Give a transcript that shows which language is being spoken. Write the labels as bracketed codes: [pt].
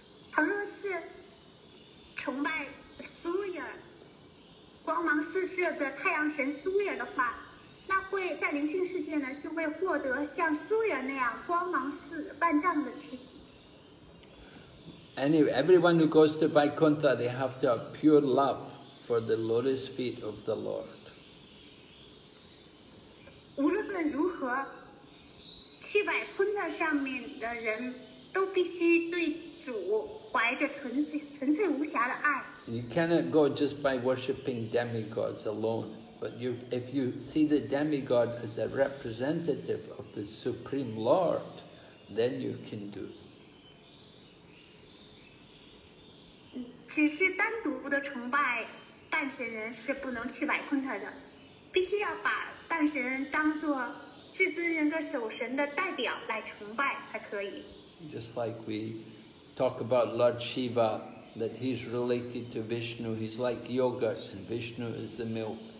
[zh] 倘若是崇拜 Surya,光芒四射的太阳神苏叶的话，那会在灵性世界呢，就会获得像苏叶那样光芒四万丈的躯体。 [en] Anyway, everyone who goes to Vaikuntha, they have to have pure love for the lotus feet of the Lord. [zh] 无论如何，去百昆特上面的人都必须对主怀着纯粹无暇的爱。 [en] You cannot go just by worshipping demigods alone, but if you see the demigod as a representative of the Supreme Lord, then you can do. [zh] 只是单独的崇拜半神人是不能去百昆特的，必须要把半神人当作至尊人格守神的代表来崇拜才可以。 [en] Just like we talk about Lord Shiva,that he's related to Vishnu, he's like yogurt, and Vishnu is the milk.